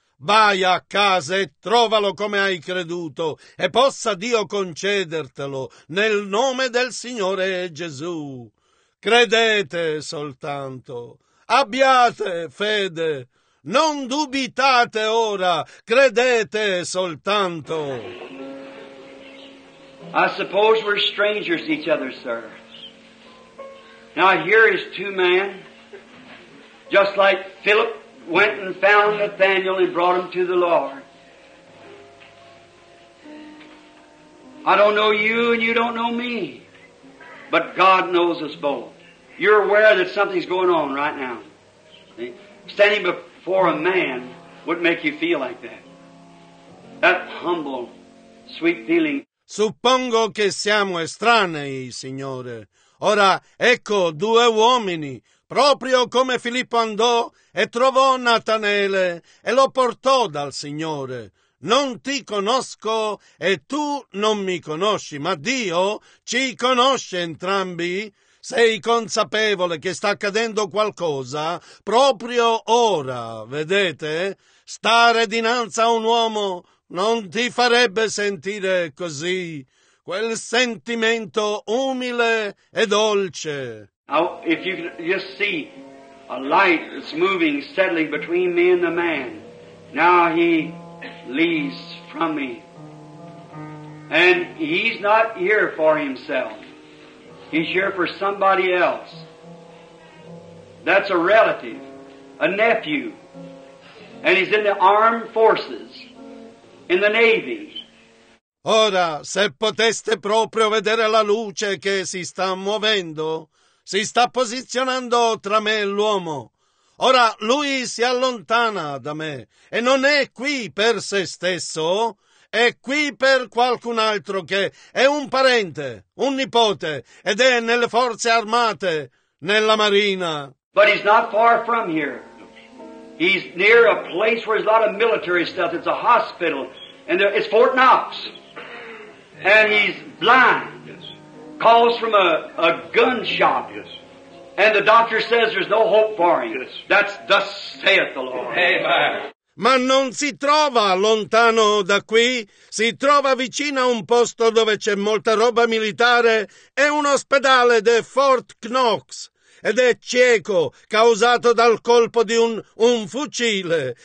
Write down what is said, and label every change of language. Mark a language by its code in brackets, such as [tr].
[it] Vai a casa e trovalo come hai creduto, e possa Dio concedertelo nel nome del Signore Gesù. Credete soltanto, abbiate fede, non dubitate ora, credete soltanto. [en] I suppose we're strangers to each other, sir. Now here is two men, just like Philip went and found Nathaniel and brought him to the Lord. I don't know you and you don't know me, but God knows us both. You're aware that something's going on right now. See? Standing before a man wouldn't make you feel like that. That humble, sweet feeling. [it] Suppongo che siamo estranei, Signore. Ora, ecco due uomini, proprio come Filippo andò e trovò Natanele e lo portò dal Signore. Non ti conosco e tu non mi conosci, ma Dio ci conosce entrambi. Sei consapevole che sta accadendo qualcosa proprio ora, vedete? Stare dinanzi a un uomo non ti farebbe sentire così. Quel sentimento umile e dolce. [en] Now, if you can just see a light that's moving, settling between me and the man. Now he leaves from me. And he's not here for himself. He's here for somebody else. That's a relative, a nephew. And he's in the armed forces, in the Navy. [it] Ora, se poteste proprio vedere la luce che si sta muovendo, si sta posizionando tra me e l'uomo. Ora, lui si allontana da me e non è qui per se stesso, è qui per qualcun altro che è un parente, un nipote, ed è nelle forze armate, nella marina. [en] But he's not far from here. He's near a place where there's a lot of military stuff. It's a hospital. And there, it's Fort Knox. And he's blind. Yes. Calls from a gunshot. Yes. And the doctor says there's no hope for him. Yes. That's thus saith the Lord. Amen. [it] Ma non si trova lontano da qui. Si trova vicino a un posto dove c'è molta roba militare e un ospedale de Fort Knox. Ed è cieco, causato dal colpo di un fucile.